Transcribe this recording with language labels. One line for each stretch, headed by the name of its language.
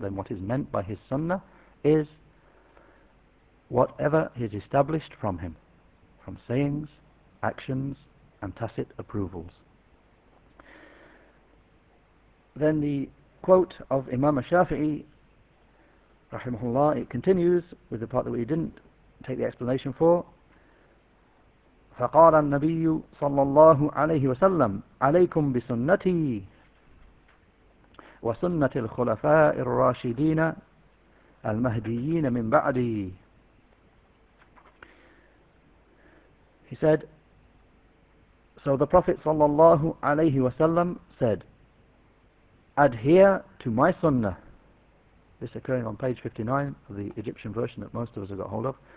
English: Then what is meant by his Sunnah is whatever is established from him, from sayings, actions, and tacit approvals. Then the quote of Imam Shafi'i, rahimahullah, it continues with the part that we didn't take the explanation for.
Arabic: فقال النبي صلى الله عليه وسلم عليكم بسنتي وسنة الخلفاء الراشدين المهديين من بعدي.
English: He said, so the Prophet sallallahu alayhi wasallam said, adhere to my sunnah. This occurring on page 59 of the Egyptian version that most of us have got hold of.